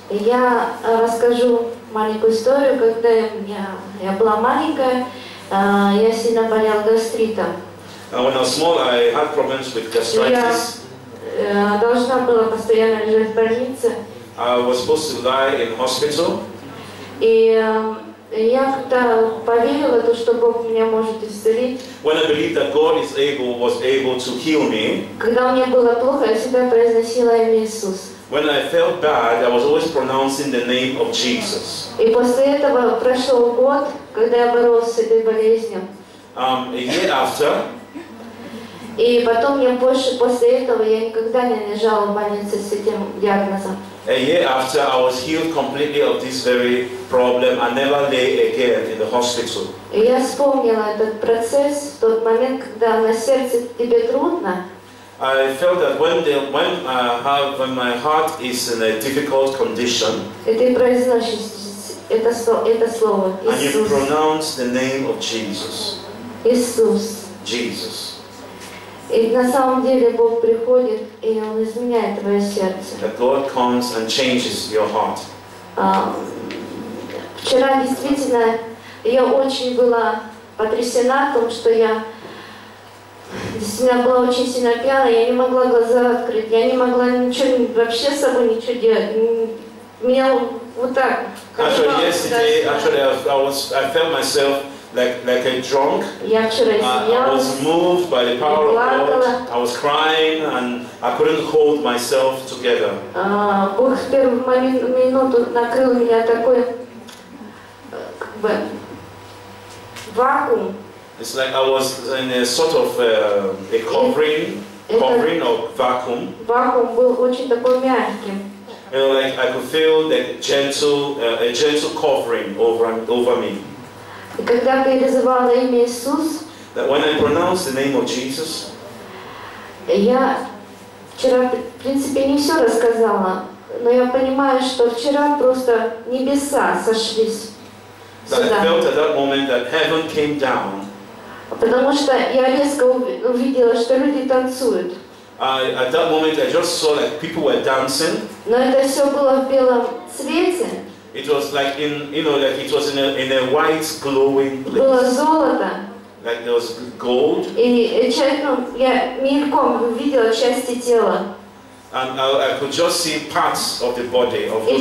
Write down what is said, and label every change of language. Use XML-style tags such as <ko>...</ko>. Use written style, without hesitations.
<ru>Я расскажу маленькую историю, когда я была маленькая, я сильно болела гастритом.</ru> <en>When I was small, I had problems with gastritis.</en> <ru>Я должна была постоянно лежать в больнице.</ru> <en>I was supposed to lie in hospital.</en> <ru>И я когда поверила то, что Бог меня может исцелить.</ru> <en>When I believed that God is able, was able to heal me.</en> <ru>Когда мне было плохо, я всегда произносила имя Иисус.</ru> <en>When I felt bad, I was always pronouncing the name of Jesus.</en> <ru>И после этого прошел год, когда я боролась с этой болезнью.</ru> <en>A year after.</en> <ru>И потом я больше после этого я никогда не лежала в больнице с этим диагнозом.</ru> <en>A year after, I was healed completely of this very problem. I never lay again in the hospital.</en> <ru>Я вспомнила этот процесс в тот момент, когда на сердце тебе трудно.</ru> <en>I felt that when my heart is in a difficult condition.</en> <ru>И ты произносишь это слово.</ru> <en>And you pronounce the name of Jesus.</en> <ru>Иисус.</ru> <en>Jesus.</en> <ru>И на самом деле Бог приходит, и Он изменяет твое сердце.</ru> <en>That God comes and changes your heart.</en> <ru>Вчера действительно я очень была потрясена о том, что я действительно была очень сильно пьяна, я не могла глаза открыть, я не могла ничего вообще с собой ничего делать. Меня вот так.</ru> <en>Actually, yesterday, I felt myself like a drunk. I was moved by the power of God. I was crying and I couldn't hold myself together.</en> <ru>Бог в первую минуту накрыл меня такой вакуум.</ru> <en>It's like I was in a sort of a covering of vacuum.</en> <ru>Вакуум был очень такой мягким.</ru> <en>You know, like I could feel that gentle covering over me.</en> <ru>И когда призывала имя Иисус,</ru> <en>that when I pronounced the name of Jesus,</en> <ru>я вчера, в принципе, не все рассказала, но я понимаю, что вчера просто небеса сошлись сюда.</ru> <en>I felt at that moment that heaven came down.</en> <ru>Потому что я резко увидела, что люди танцуют.</ru> <en>at that moment I just saw like people were dancing.</en> <ru>Но это все было в белом свете.</ru> <en>It was like in, you know, like it was in a white glowing place.</en> <ru>Было золото.</ru> <en>Like there was gold.</en> <ru>И честно, я мельком видела части тела.</ru> <en>And I could just see parts of the body of people</en>